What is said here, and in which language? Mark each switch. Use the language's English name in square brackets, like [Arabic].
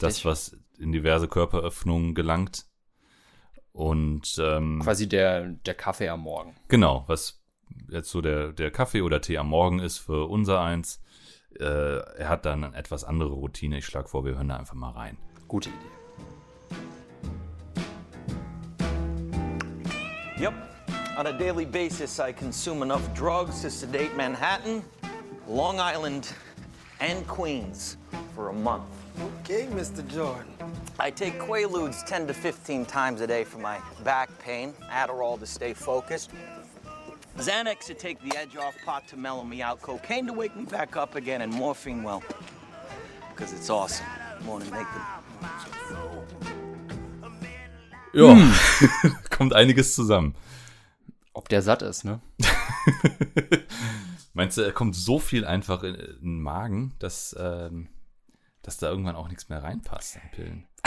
[German] Das, was in diverse Körperöffnungen gelangt. Und quasi der Kaffee am Morgen. Genau, was jetzt so der Kaffee oder Tee am Morgen ist für unser eins. Er hat dann eine etwas andere Routine. Ich schlage vor, wir hören da einfach mal rein. Gute Idee. [English] Yep, on a daily basis I consume enough drugs to sedate Manhattan, Long Island, and Queens for a month. Okay, Mr. Jordan. I take Quaaludes 10 to 15 times a day for my back pain, Adderall to stay focused, Xanax to take the edge off, pot to mellow me out, cocaine to wake me back up again, and morphine, well, because it's awesome. Morning, make them. [German] Ja, kommt einiges zusammen. Ob der satt ist, ne? Meinst du, er kommt so viel einfach in den Magen, dass da irgendwann auch nichts mehr reinpasst an Pillen?